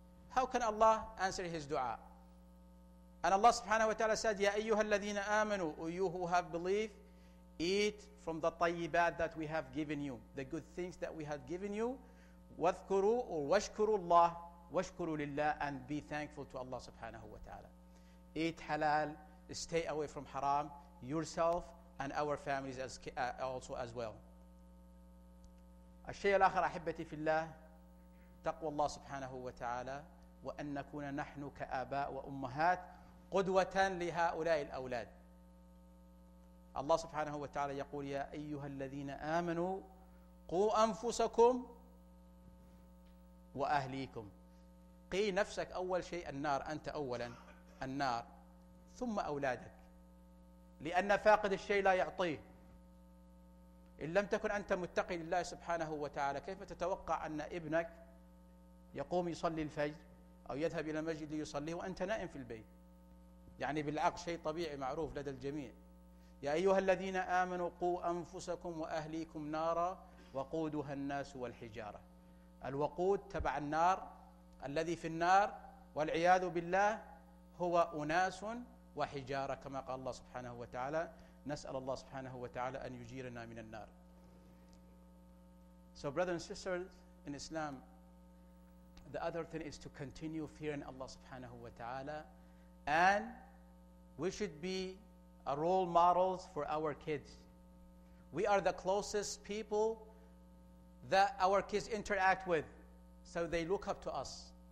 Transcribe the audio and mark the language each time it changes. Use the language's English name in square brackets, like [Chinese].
[English] How can Allah answer his dua? And Allah subhanahu wa ta'ala said, [Arabic] Ya ayyuhal ladhina amanu, [English] O you who have believed, eat from the tayyibat that we have given you, the good things that we have given you. [Arabic] Wathkuru or washkuru Allah, washkuru lillah, [English] and be thankful to Allah subhanahu wa ta'ala. Eat halal, stay away from haram, yourself and our families as well. [Arabic] الشيء الآخر أحبتي في الله تقوى الله سبحانه وتعالى وأن نكون نحن كآباء وأمهات قدوة لهؤلاء الأولاد. الله سبحانه وتعالى يقول يا أيها الذين آمنوا قوا أنفسكم وأهليكم. قي نفسك أول شيء النار أنت أولا النار ثم أولادك، لأن فاقد الشيء لا يعطيه. إن لم تكن أنت متقي لله سبحانه وتعالى، كيف تتوقع أن ابنك يقوم يصلي الفجر أو يذهب إلى المسجد ليصلي وأنت نائم في البيت؟ يعني بالعقل شيء طبيعي معروف لدى الجميع. يا أيها الذين آمنوا قوا أنفسكم وأهليكم نارا وقودها الناس والحجارة. الوقود تبع النار، الذي في النار والعياذ بالله هو أناس وحجارة كما قال الله سبحانه وتعالى. نسأل الله سبحانه وتعالى أن يجيرنا من النار. [English] So brothers and sisters in Islam, the other thing is to continue fearing Allah [Arabic] سبحانه وتعالى, [English] and we should be a role models for our kids. We are the closest people that our kids interact with, so they look up to us.